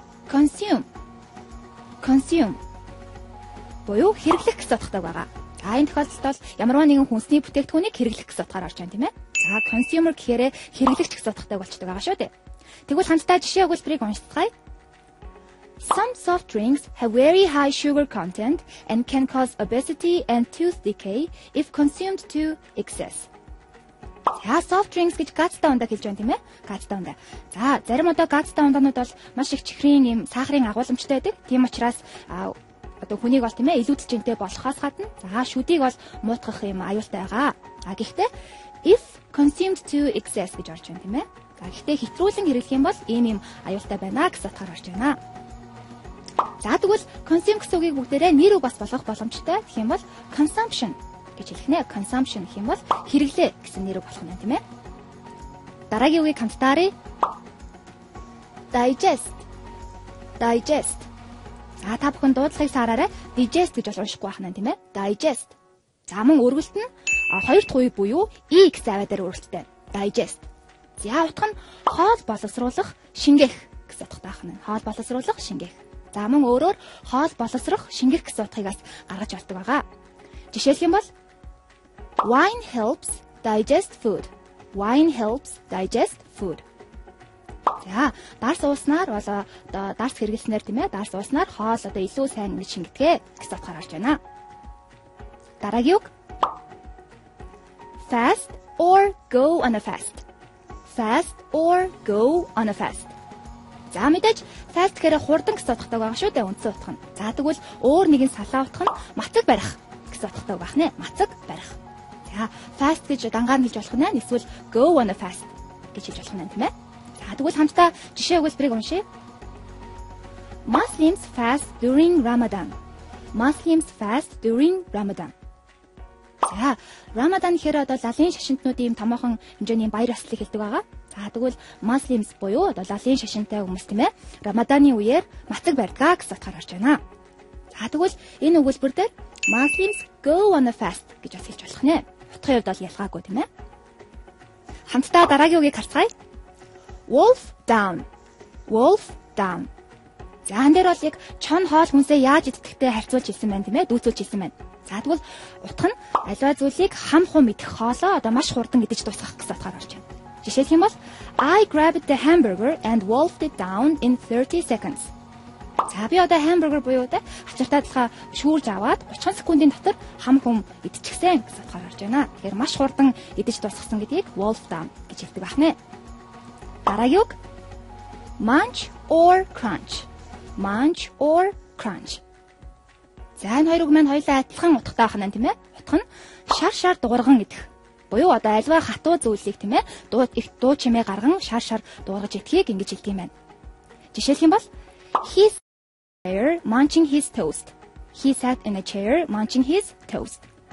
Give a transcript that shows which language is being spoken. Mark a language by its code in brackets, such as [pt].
[en] Consume. Consume. [mn] Боёо хэрэглэх гэсэн утгатай байгаа. За, энэ тохиолдолд бол ямарваа нэгэн хүнсний бүтээгдэхүүнийг хэрэглэх гэсэн утгаар орж байна тийм ээ. За, consumer гэхээрэ хэрэглэгч гэсэн утгатай болчтой байгаа шүү дээ. Тэгвэл хамтдаа жишээ өгүүлбэрийг уншицгаая. [en] Some soft drinks have very high sugar content and can cause obesity and tooth decay if consumed to excess. [mn] За, soft drinks гэж гацтай ундаа хэлж байна тийм ээ? Гацтай ундаа. За, зарим одоо гацтай ундаанууд бол маш их чихрийн юм сахарын агуулмчтай байдаг. Тийм учраас одоо хүнийг бол тийм ээ илүүдэлчинтэй болохоос гадна за шүдийг бол муутгах юм аюултай байгаа. А гэхдээ [en] if consumed to excess [mn] гэж орж байна тийм ээ. За гэхдээ хэтрүүлэн хэрэглэх юм бол ийм юм аюултай байна гэсэн утгаар орж байна. За тэгвэл consume гэсэн үгийг бүгдээрээ нэр үг бас болгох боломжтой. Тэгэх юм бол consumption гэж хэлэх нэ. Consumption гэх юм бол хэрэглээ гэсэн нэр үг болох юм тийм ээ. Дараагийн үгийг хамтдаарай. [en] Digest. Digest. [mn] За та бүхэн дуудлагыг саараарай. Digest гэж бол уншихгүй байна тийм ээ. [en] Digest. [mn] За мөн өргөлт нь хоёр дахь үе буюу e гэсэн аваа дээр үргэлжтэй. [en] Digest. [mn] За утга нь хоол боловсруулах, шингэх гэсэн утгатай байна. Хоол боловсруулах, шингэх. За мөн өөрөөр хоол боловсрох, шингэх гэсэн утгыг бас гаргаж болдог байгаа. Жишээлх юм бол [en] wine helps digest food. Wine helps digest food. [mn] За дарс ууснаар бол одоо дарс хэрэглэснээр тийм ээ дарс ууснаар хоол одоо илүү сайн ингэж шингэдэг гэсэн утгаар орж байна. Дараагийн үг [en] fast or go on a fast. Fast or go on a fast. [mn] За мэдээж fast гэхээр хурдан гэсэн утгатай байгаа шүү дээ үндсэн утга нь. За тэгвэл өөр нэгэн салаа утга нь мацаг барих гэсэн утгатай байх нэ. Мацаг барих. За fast гэж дангаар хэлж болох нэ. Эсвэл [en] go on a fast [mn] гэж хэлж болох нэ тийм ээ. За тэгвэл хамтдаа жишээ өгүүлбэрийг уншъя. [en] Muslims fast during Ramadan. Muslims fast during Ramadan. [mn] За, Рамадан гэхээр одоо лалын шашинтнуудын юм томоохон хэмжээний баяр ёслолыг хэлдэг байгаа. За, тэгвэл Muslims буюу одоо лалын шашинтай хүмүүс тийм ээ. Рамаданы үеэр мацаг барьдаг гэсэн утгаар орж байна. За, тэгвэл энэ өгүүлбэр дээр [en] Muslims go on a fast [mn] гэж бас хэлж болох нэ. Утгын хувьд бол ялгаагүй тийм ээ. Хамтдаа дараагийн үгийг харцгаая. [en] Wolf down. Wolf down. [mn] За, энэ дээр бол яг чон хоол хүнсээ яаж идэхтэй харьцуулж хэлсэн байна тийм ээ. Дүүцүүлж хэлсэн байна. За тэгвэл утга нь аливаа зүйлийг хам хум идэх хоолоо одоо маш хурдан идэж дуусгах гэсэн утгаар орж байна. Жишээлх юм бол [en] I grabbed the hamburger and wolfed it down in 30 seconds. [mn] За би одоо hamburger буюу те хачиртай талха шүүрж аваад 30 секундын дотор хам хум идчихсэн гэсэн утгаар орж байна. Тэгэхээр маш хурдан идэж дуусгасан гэдгийг wolf down гэж хэлдэг байна. Дараагийн үг [en] munch or crunch. Munch or crunch. [mn] За энэ хоёр үг маань хоёулаа адилхан утгатай байна тийм ээ. Утга нь шар шар дуурган идэх. Буюу одоо альва хатуу зүйлийг тийм ээ дуу их дуу чимээ гарган шар шар дуургаж идэхийг ингэж хэлдэг юм байна. Жишээлх юм бол [en] he sat in a chair munching his toast. He sat in a chair munching his toast.